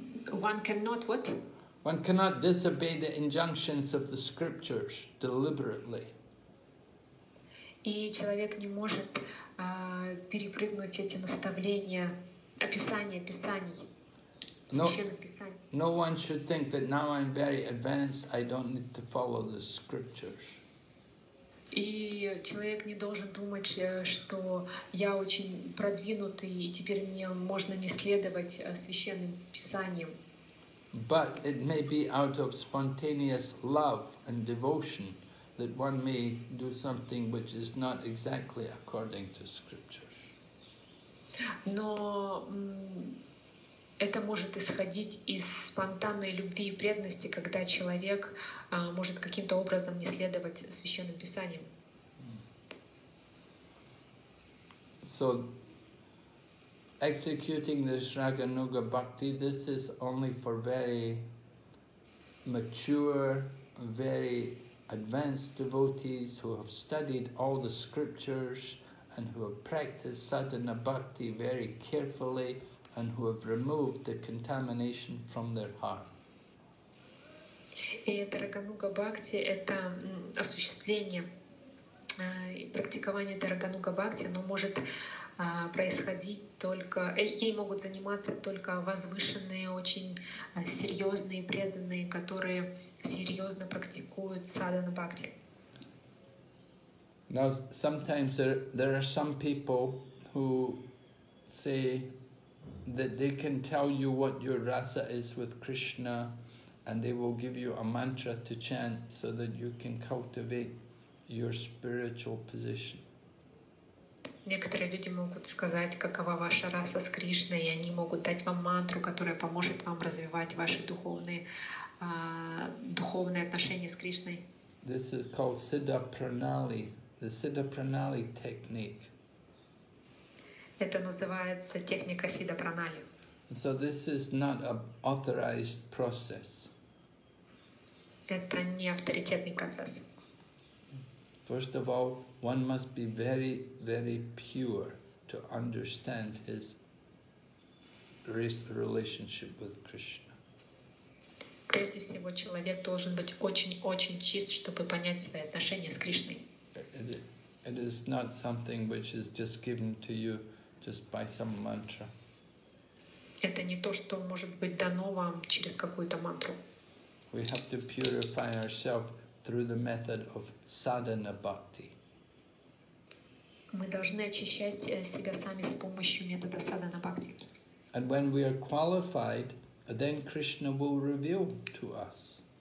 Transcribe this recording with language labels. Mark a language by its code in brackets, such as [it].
[en] One cannot disobey the injunctions of the scriptures deliberately. [ru] И человек не может перепрыгнуть эти наставления, описания писаний, священных писаний. [en] No one should think that now I'm very advanced, I don't need to follow the scriptures. [ru] И человек не должен думать, что я очень продвинутый, и теперь мне можно не следовать священным писаниям. [en] But it may be out of spontaneous love and devotion that one may do something which is not exactly according to scriptures. [ru] Но это может исходить из спонтанной любви и преданности, когда человек может каким-то образом не следовать священным писаниям. [en] So, executing this Raganuga Bhakti, this is only for very mature, very advanced devotees who have studied all the scriptures and who have practiced sadhana bhakti very carefully and who have removed the contamination from their heart. [ru] И эта Рагануга Бхакти — это осуществление и практикование этой Рагануга Бхакти, оно может происходить только, ей могут заниматься только возвышенные, очень серьезные преданные, которые серьезно практикуют садхана бхакти. [en] Now sometimes there are some people who say that they can tell you what your rasa is with Krishna, and they will give you a mantra to chant so that you can cultivate your spiritual position. [ru] Некоторые люди могут сказать, какова ваша раса с Кришной, и они могут дать вам мантру, которая поможет вам развивать ваши духовные отношения с Кришной. [en] This is called Siddha Pranali, the Siddha Pranali technique. [ru] Это называется техника Siddha Pranali. [en] So this is not an authorized process. [ru] Это не авторитетный процесс. [en] First of all, one must be very, very pure to understand his relationship with Krishna. [ru] Прежде всего, человек должен быть очень-очень чист, чтобы понять свои отношения с Кришной. [en] It is not something which is just given to you just by some mantra. [ru] Это не то, что может быть дано вам через какую-то мантру. [en] We have to purify ourselves through the method of sadhana bhakti. [ru] Мы должны очищать себя сами с помощью метода садхана бхакти. [en] And when we are qualified, then Krishna will reveal to us.